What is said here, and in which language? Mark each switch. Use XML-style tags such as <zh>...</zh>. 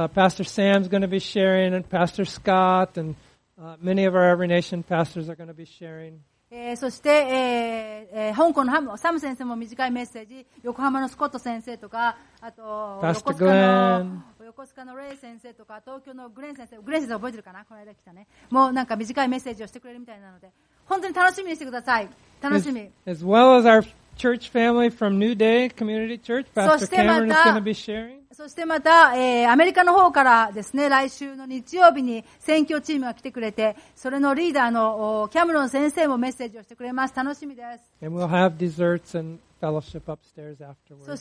<en>Pastor Sam's going to be sharing, and Pastor Scott, and many of our Every Nation pastors are going to be sharing.</en> <ja>そして、香港のハム、サム先生も短いメッセージ、横浜のスコット先生とか、あと、横須賀のレイ先生とか、東京のグレン先生、グレン先生覚えてるかな?この間来たね。もうなんか短いメッセージをしてくれるみたいなので、本当に楽しみにしてください。楽しみ。</ja> <en>As well as our church family from New Day Community Church, Pastor Cameron is going to be sharing.</en> <ja>そしてまた、アメリカの方からですね、来週の日曜日に選挙チームが来てくれて、それのリーダーのキャムロン先生もメッセージをしてくれます。楽しみです。</ja> <en>And we'll have desserts and fellowship upstairs afterwards.</en>